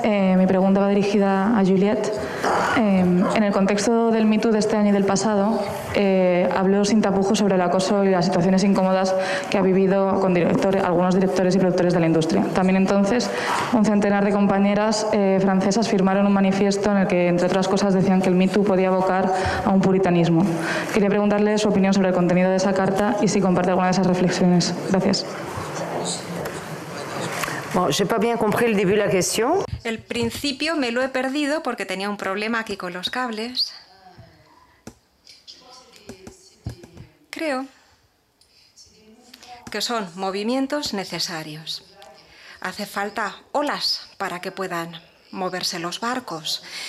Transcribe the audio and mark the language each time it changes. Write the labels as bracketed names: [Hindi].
[Spanish] Mi pregunta va dirigida a Juliette. En el contexto del Me Too de este año y del pasado, habló sin tapujos sobre el acoso y las situaciones incómodas que ha vivido con algunos directores y productores de la industria. También entonces, un centenar de compañeras francesas firmaron un manifiesto en el que, entre otras cosas, decían que el Me Too podía abocar a un puritanismo. Quería preguntarle su opinión sobre el contenido de esa carta y si comparte alguna de esas reflexiones. Gracias. [French] Bon, j'ai pas bien compris le début de la question. [Spanish] El principio me lo he perdido porque tenía un problema aquí con los cables. Creo que son movimientos necesarios. Hace falta olas para que puedan moverse los barcos.